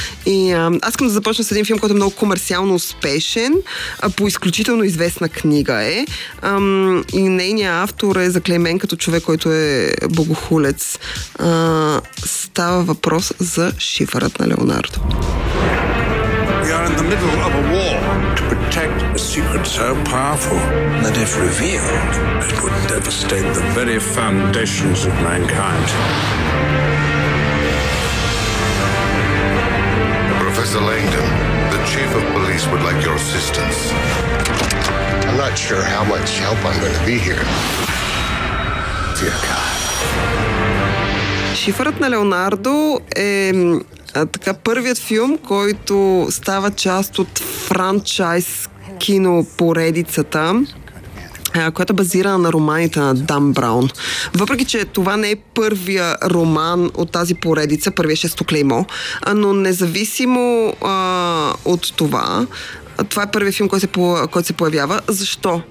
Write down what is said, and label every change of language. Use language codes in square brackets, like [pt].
[bg] И аз искам да започна с един филм, който е много комерциално успешен, по изключително известна книга е. И нейният автор е заклеймен като човек, който е богохулец. Става въпрос за Шифърът на Леонардо. [en] We are in the middle of a war to protect a secret so powerful that if revealed, it would devastate the very foundations of mankind. Professor Langdon, the chief of police would like your assistance. I'm not sure how much help I'm going to be here. Dear God. [bg] Шифърът на Леонардо е така първият филм, който става част от франчайз кинопоредицата, която е базирана на романите на Дан Браун. Въпреки че това не е първия роман от тази поредица, първия шесто клеймо, но независимо от това, това е първият филм, който се появява. Защо?